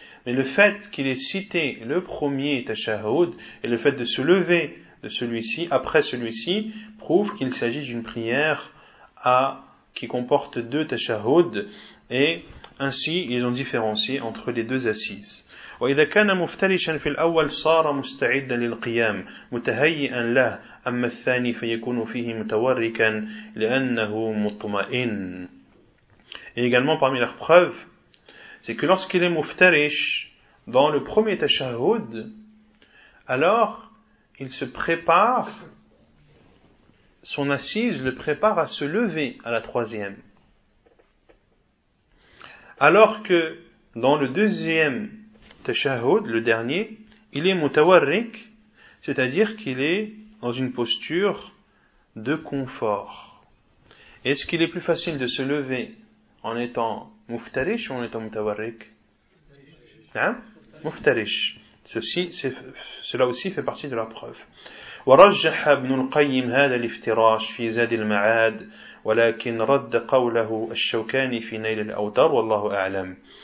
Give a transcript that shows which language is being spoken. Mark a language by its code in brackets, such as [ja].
[fr] Mais le fait qu'il ait cité le premier tashahhud et le fait de se lever de celui-ci, après celui-ci, prouve qu'il s'agit d'une prière qui comporte deux tashahhud et ainsi ils ont différencié entre les deux assises. [ar] وإذا كان مفترشا في الأول صار مستعدا للقيام متهيئا له أما الثاني فيكون فيه متوركا لأنه مطمئن. [fr] Et également parmi leurs preuves, c'est que lorsqu'il est muftarish dans le premier tashahhud, alors il se prépare, son assise le prépare à se lever à la troisième. Alors que dans le deuxième tashahhud, le dernier, il est mutawarrik, c'est-à-dire qu'il est dans une posture de confort. Est-ce qu'il est plus facile de se lever en étant muftarish ou en étant mutawarrik? Hein? Muftarish. Cela aussi fait partie de la preuve. [ar] ورجح ابن القيم هذا الافتراش في زاد المعاد ولكن رد قوله الشوكاني في نيل الأوتار والله أعلم.